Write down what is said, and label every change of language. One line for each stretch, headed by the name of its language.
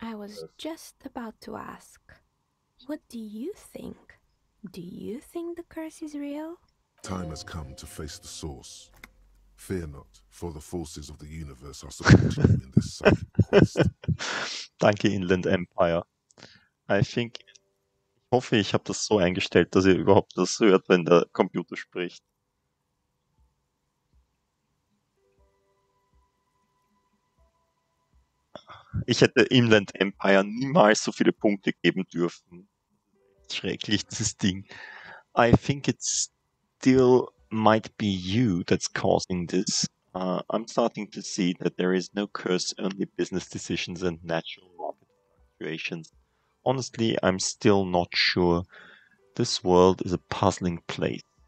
English: I was just about to ask, what do you think? Do you think the curse is real? Time has come to face the source. Fear not, for the forces of the universe are supporting you in this quest.
German: Danke,
English: Inland Empire. I think.
German: Ich hoffe, ich habe das so eingestellt, dass ihr überhaupt das hört, wenn der Computer spricht. Ich hätte Inland Empire niemals so viele Punkte geben dürfen. Schrecklich, dieses Ding.
English: I think it still might be you that's causing this. I'm starting to see that there is no curse, only business decisions and natural market fluctuations. Honestly, I'm still not sure. This world is a puzzling place.